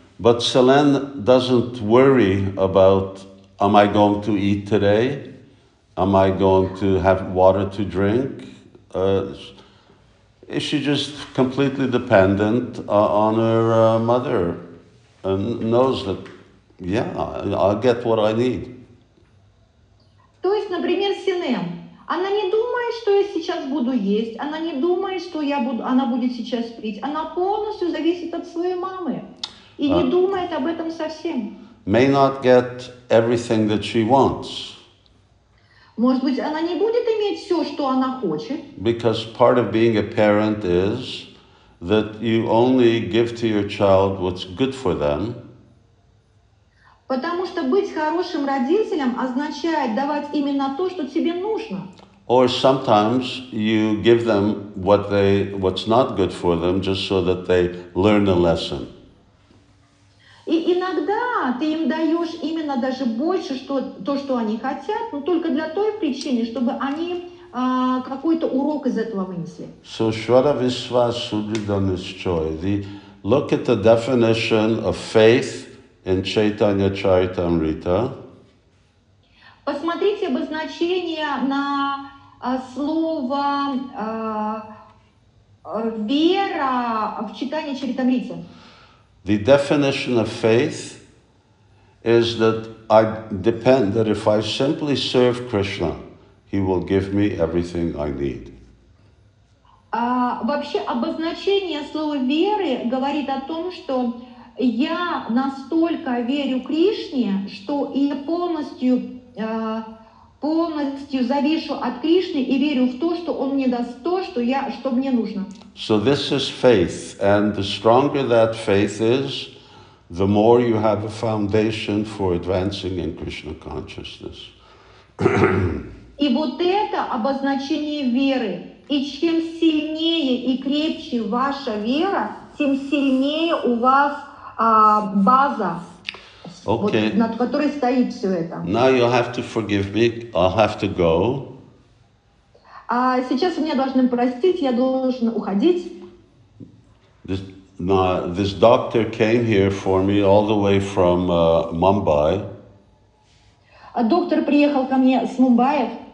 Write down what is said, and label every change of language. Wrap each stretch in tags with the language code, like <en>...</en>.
<en>But Selen doesn't worry about, am I going to eat today? Am I going to have water to drink? Is she just completely dependent on her mother and knows that, yeah, I'll get what I need.</en> <ru>То есть, например, Синем. Она не думает, что я сейчас буду есть. Она не думает, что я буду. Она будет сейчас пить. Она полностью зависит от своей мамы и не думает об этом совсем.</ru> <en>May not get everything that she wants.</en> <ru>Может быть, она не будет иметь все, что она хочет.</ru> <en>Because part of being a parent is that you only give to your child what's good for them.</en> <ru>Потому что быть хорошим родителем означает давать именно то, что тебе нужно.</ru> <en>Or sometimes you give them what's not good for them just so that they learn a lesson.</en> <ru>И иногда ты им даешь именно даже больше, что то, что они хотят, но только для той причины, чтобы они какой-то урок из этого вынесли.</ru> <bn>So Shraddha Vishwas Sudrida Nischoy.</bn> <en>Look at the definition of faith in Chaitanya Charitamrita.</en> <ru>Посмотрите обозначение на слово вера в Чайтанья Чаритамрите.</ru> <en>The definition of faith is that I depend that if I simply serve Krishna, he will give me everything I need.</en> <ru>Вообще обозначение слова веры говорит о том, что я настолько верю Кришне, что я полностью завишу от Кришны и верю в то, что он мне даст то, что мне нужно.</ru> <en>So this is faith, and the stronger that faith is, the more you have a foundation for advancing in Krishna consciousness.</en> <ru>И вот это обозначение веры. И чем сильнее и крепче ваша вера, тем сильнее у вас база,</ru> <en>okay.</en> <ru>Вот, над которой стоит все это.</ru> <en>Now you'll have to forgive me. I'll have to go.</en> <ru>Сейчас меня должны простить, я должен уходить.</ru> <en>This doctor came here for me all the way from Mumbai.</en> <ru>Доктор приехал ко мне с Мумбаев.</ru>